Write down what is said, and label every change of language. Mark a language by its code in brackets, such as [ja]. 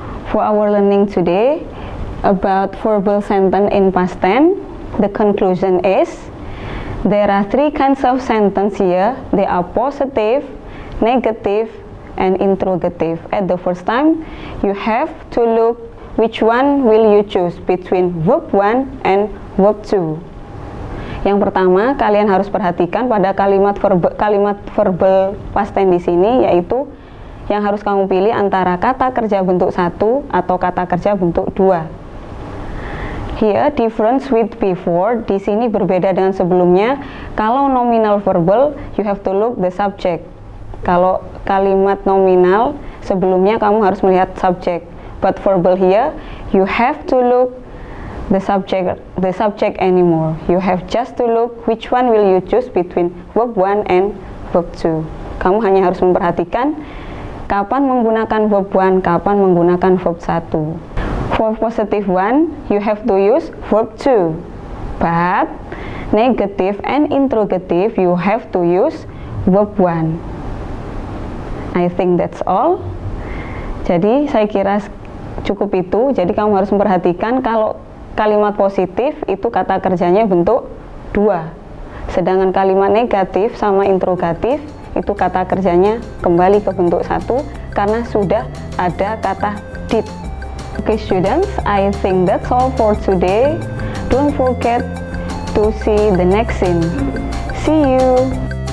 [en] For our learning today about verbal sentence in past tense, the conclusion is there are 3 kinds of sentence here. They are positive, negative, and interrogative. At the first time, you have to look which one will you choose between verb 1 and verb 2. [id] Yang pertama, kalian harus perhatikan pada kalimat verbal past tense di sini, yaitu yang harus kamu pilih antara kata kerja bentuk 1 atau kata kerja bentuk 2. [en] Here, difference with before, [id] di sini berbeda dengan sebelumnya. Kalau nominal verbal, [en] you have to look the subject. [id] Kalau kalimat nominal, sebelumnya kamu harus melihat subject. [en] But verbal here, you have to look the subject anymore. You have just to look which one will you choose between verb 1 and verb 2. [id] Kamu hanya harus memperhatikan kapan menggunakan verb 1, kapan menggunakan verb 1. [en] For positive 1, you have to use verb 2. But negative and interrogative, you have to use verb 1. I think that's all. [id] Jadi, saya kira cukup itu. Jadi, kamu harus memperhatikan kalau kalimat positif itu kata kerjanya bentuk 2. Sedangkan kalimat negatif sama interrogatif itu kata kerjanya kembali ke bentuk 1 karena sudah ada kata did. [en] Okay students, I think that's all for today. Don't forget to see the next scene. See you!